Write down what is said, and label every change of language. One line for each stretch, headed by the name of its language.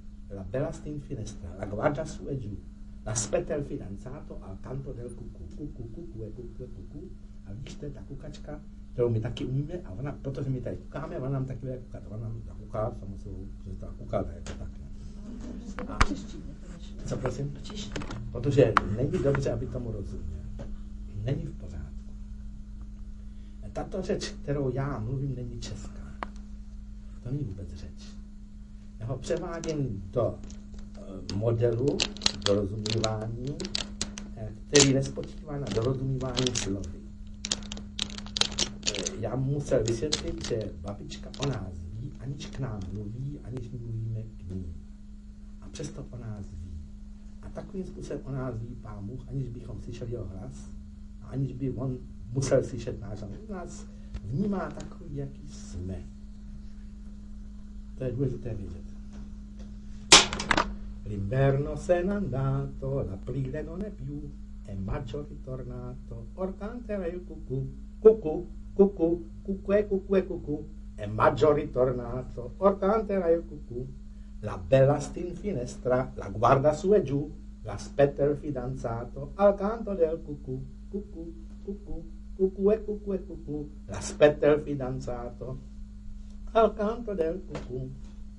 Italian: La bella stin finestra, la guarda su e giù. Naspete el fidanzato al canto del cucu, cucu, cucu, cucu, cucu.
Czech: A víš, to je ta kukačka, kterou my taky umíme, a ona, protože my tady kukáme, ona nám taky bude kukat. Ona nám kuká, samozřejmě, že ta kuká, tak je to tak. A co prosím? Protože není dobře, aby tomu rozuměl. Není v pořádku. Tato řeč, kterou já mluvím, není česká. To není vůbec řeč. Já ho převádím do modelu, dorozumívání, který nespočívá na dorozumívání slovy. Já musel vysvětlit, že babička o nás ví, aniž k nám mluví, aniž my mluvíme k ní. A přesto o nás ví. A takovým způsobem o nás ví Pán Bůh, aniž bychom slyšeli jeho hlas, a aniž by on musel slyšet náš hlas. On nás vnímá takový, jaký jsme. To je důležité vědět.
Italian: L'inverno se n'è andato, l'aprile non è più, e maggio ritornato, or canterà il cucù, cucù, cucù, cucù e cucù e cucù, e maggio ritornato, or canterà il cucù, la bella sta in finestra, la guarda su e giù, l'aspetta il fidanzato, al canto del cucù, cucù, cucù, cucù e cucù e cucù, l'aspetta il fidanzato, al canto del cucù.